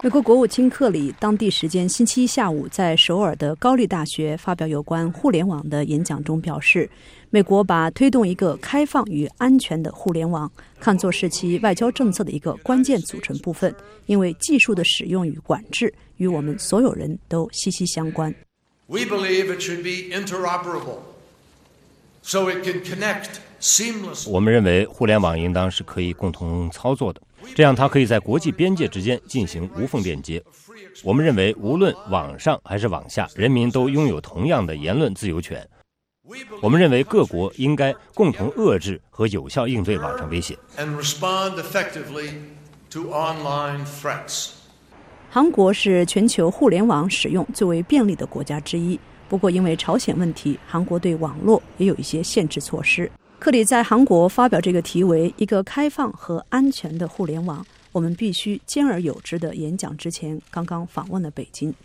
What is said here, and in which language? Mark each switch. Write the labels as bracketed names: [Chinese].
[Chinese] 美国国务卿克里当地时间星期一下午在首尔的高丽大学发表有关互联网的演讲中表示，美国把推动一个开放与安全的互联网看作是其外交政策的一个关键组成部分，因为技术的使用与管制与我们所有人都息息相关。 [English] We believe it should be interoperable so it can connect seamlessly. [Chinese] 我们认为互联网应当是可以共同操作的，这样它可以在国际边界之间进行无缝链接。我们认为无论网上还是网下，人民都拥有同样的言论自由权。我们认为各国应该共同遏制和有效应对网上威胁。 [English] And respond effectively to online threats. [Chinese] 韩国是全球互联网使用最为便利的国家之一，不过因为朝鲜问题，韩国对网络也有一些限制措施。克里在韩国发表这个题为一个开放和安全的互联网，我们必须兼而有之的演讲之前刚刚访问了北京。